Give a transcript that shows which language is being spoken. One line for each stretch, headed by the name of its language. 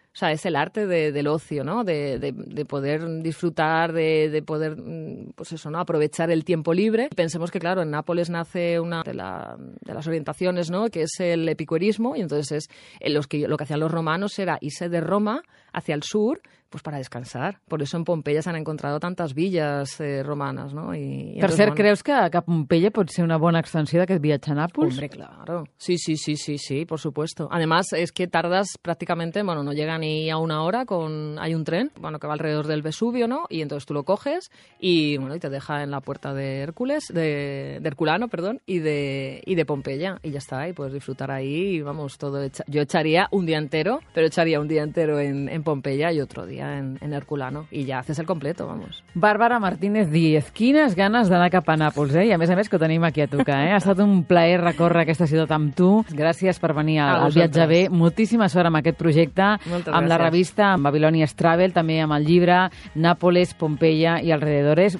Spanish: O sea, es el arte del ocio, ¿no? De poder disfrutar, de poder, pues eso, ¿no? Aprovechar el tiempo libre. Pensemos que, claro, en Nápoles nace una de las orientaciones, ¿no? Que es el epicurismo. Y entonces lo que hacían los romanos era irse de Roma hacia el sur, pues para descansar. Por eso en
Catalan: Pompeia s'han encontrado tantes villes romanes, no? I per cert, bueno, creus que a Pompeia pot ser una bona extensió d'aquest viatge a Nàpols?
Spanish: Hombre, claro. Sí, por supuesto. Además, es que tardas prácticamente, bueno, no llega ni a una hora con... Hay un tren, bueno, que va alrededor del Vesubio, ¿no? Y entonces tú lo coges y, bueno, y te deja en la puerta de Hércules, de Herculano, perdón, y de Pompeia. Y ya está, y puedes disfrutar ahí y vamos, todo hecha. Yo echaría un día entero, pero echaría un día entero en Pompeia y otro día en Herculano. Y ya haces el completo, vamos.
Catalan: Bàrbara Martínez Díez, quines ganes d'anar cap a Nàpols, eh? I a més que ho tenim aquí a tocar, eh? Ha estat un plaer recórrer aquesta ciutat amb tu. Gràcies per venir al Viatge Bé. Moltíssima sort amb aquest projecte. Moltes amb gràcies. La revista, amb Babilonia's Travel, també amb el llibre Nàpols, Pompeia i alrededores.